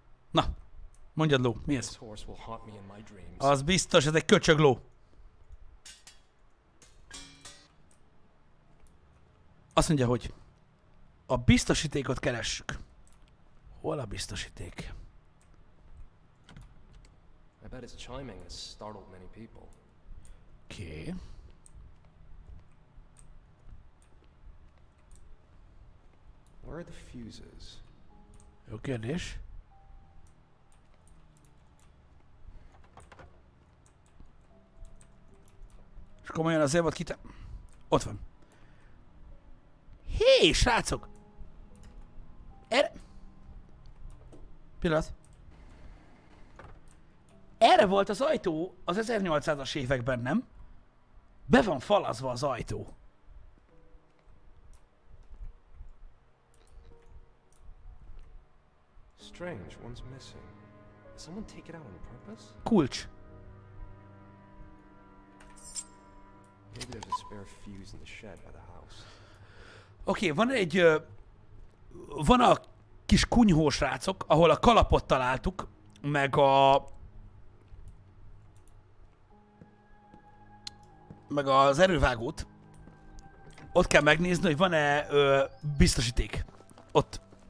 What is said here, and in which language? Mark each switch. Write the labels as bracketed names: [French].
[Hungarian] Na, mondjad ló, mi ez? Az biztos, ez egy köcsög ló. Azt mondja, hogy a biztosítékot keressük. Hol a biztosíték? [English] I bet his chiming has startled many people. Okay. Where are the fuses? [Hungarian] Jó kérdés. És komolyan azért volt kite... Ott van. Hé, srácok! Erre... Pillanat. Erre volt az ajtó az 1800-as években, nem? Be van falazva az ajtó. [English] Strange, one's missing. Did someone take it out on purpose? [Hungarian] Kulcs. [English] Maybe there's a spare fuse in the shed by the house. [Hungarian] Oké, van egy... van a kis kunyhósrácok, ahol a kalapot találtuk, meg a... meg az erővágót. Ott kell megnézni, hogy van-e biztosíték. Ott.